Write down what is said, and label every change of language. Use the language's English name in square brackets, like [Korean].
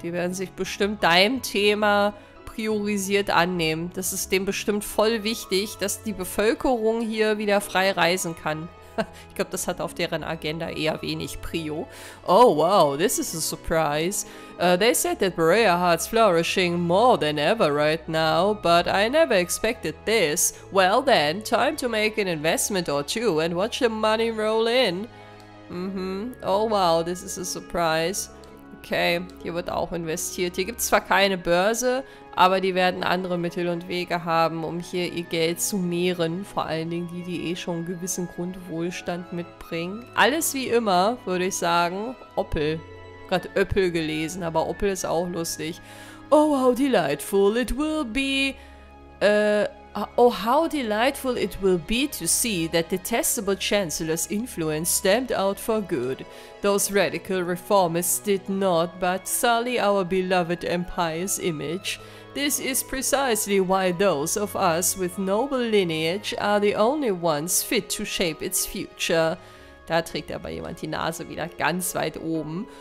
[German] Die werden sich bestimmt deinem Thema priorisiert annehmen. Das ist dem bestimmt voll wichtig, dass die Bevölkerung hier wieder frei reisen kann. Ich glaube, das hat auf deren Agenda eher wenig Prio. [English] Oh wow, this is a surprise. They said that Berea Hart's flourishing more than ever right now, but I never expected this. Well then, time to make an investment or two and watch the money roll in. Oh wow, this is a surprise. [German] Okay, hier wird auch investiert. Hier gibt es zwar keine Börse, aber die werden andere Mittel und Wege haben, um hier ihr Geld zu mehren. Vor allen Dingen die, die eh schon einen gewissen Grundwohlstand mitbringen. Alles wie immer, würde ich sagen. Oppel. Gerade Öppel gelesen, aber Oppel ist auch lustig. [English] Oh, how delightful it will be. Oh, how delightful it will be to see that detestable Chancellor's influence stamped out for good. Those radical reformists did not but sully our beloved empire's image. This is precisely why those of us with noble lineage are the only ones fit to shape its future. [German] Da trägt aber jemand die Nase wieder ganz weit oben.